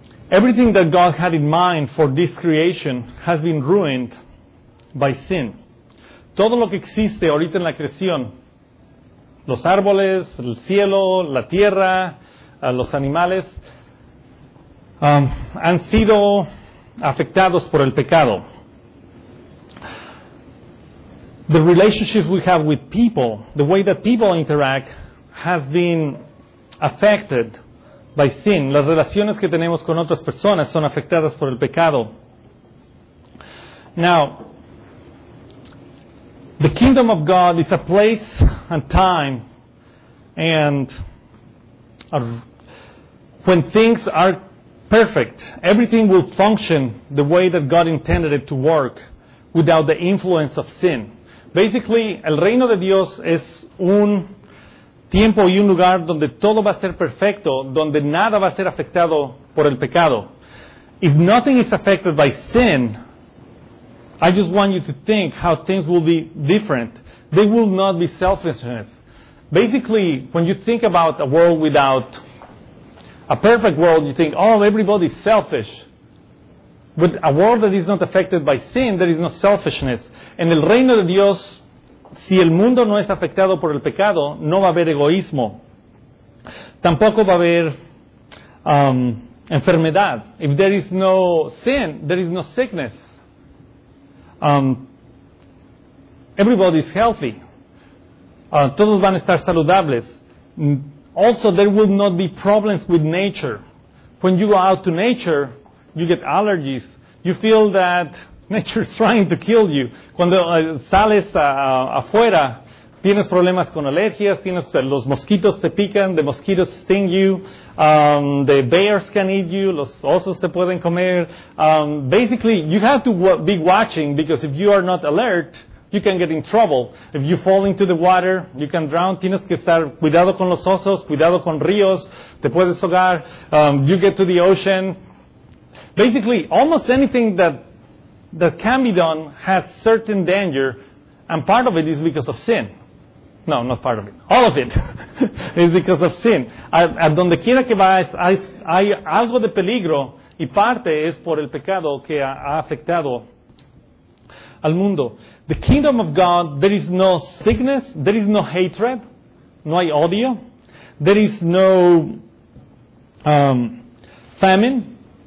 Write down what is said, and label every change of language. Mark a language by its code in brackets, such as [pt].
[en] Everything that God had in mind for this creation has been ruined by sin. [es] Todo lo que existe ahorita en la creación, los árboles, el cielo, la tierra, los animales, han sido afectados por el pecado. [en] The relationships we have with people, the way that people interact, has been affected by sin. [es] Las relaciones que tenemos con otras personas son afectadas por el pecado. [en] Now, the kingdom of God is a place and time and when things are perfect. Everything will function the way that God intended it to work without the influence of sin. [es] Basically, el reino de Dios es un tiempo y un lugar donde todo va a ser perfecto, donde nada va a ser afectado por el pecado. [en] If nothing is affected by sin, I just want you to think how things will be different. They will not be selfishness. Basically, when you think about a world without a perfect world, you think, oh, everybody's selfish. But a world that is not affected by sin, there is no selfishness. [es] En el reino de Dios, si el mundo no es afectado por el pecado, no va a haber egoísmo. Tampoco va a haber enfermedad. [en] If there is no sin, there is no sickness. Everybody is healthy. [es] Todos van a estar saludables. [en] Also, there will not be problems with nature. When you go out to nature, you get allergies. You feel that nature is trying to kill you. [es] Cuando sales afuera, tienes problemas con alergias, tienes los mosquitos te pican, [en] the mosquitoes sting you, the bears can eat you, [es] los osos te pueden comer. [en] Basically, you have to be watching, because if you are not alert, you can get in trouble. If you fall into the water, you can drown. [es] Tienes que estar cuidado con los osos, cuidado con ríos, te puedes ahogar. [en] You get to the ocean. Basically, almost anything that can be done has certain danger, and part of it is because of sin. No, not part of it. All of it is because of sin. [es] A donde quiera que vayas, hay algo de peligro, y parte es por el pecado que ha afectado al mundo. [en] The kingdom of God, there is no sickness, there is no hatred, [es] no hay odio, [en] there is no famine.